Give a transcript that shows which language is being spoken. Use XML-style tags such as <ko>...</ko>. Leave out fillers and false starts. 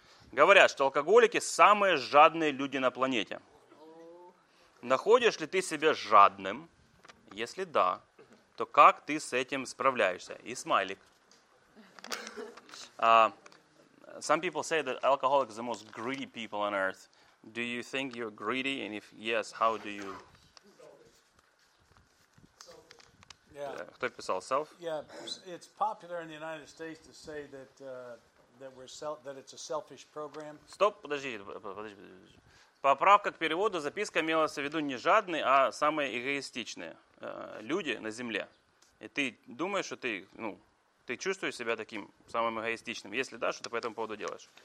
<ru>Говорят, что алкоголики самые жадные люди на планете. Находишь ли ты себя жадным? Если да, то как ты с этим справляешься? И смайлик.</ru> <en>Some people say that alcoholics are the most greedy people on earth. Do you think you're greedy? And if yes, how do you?</en> <ru>Yeah. Кто писал?</ru> <en>Self? Yeah, it's popular in the United States to say that that it's a selfish program.</en> <ru>Стоп, подожди. Поправка к переводу. Записка имелась в виду не жадные, а самые эгоистичные люди на Земле. И ты думаешь, что ты, ты чувствуешь себя таким самым эгоистичным? Если да, что ты по этому поводу делаешь?</ru>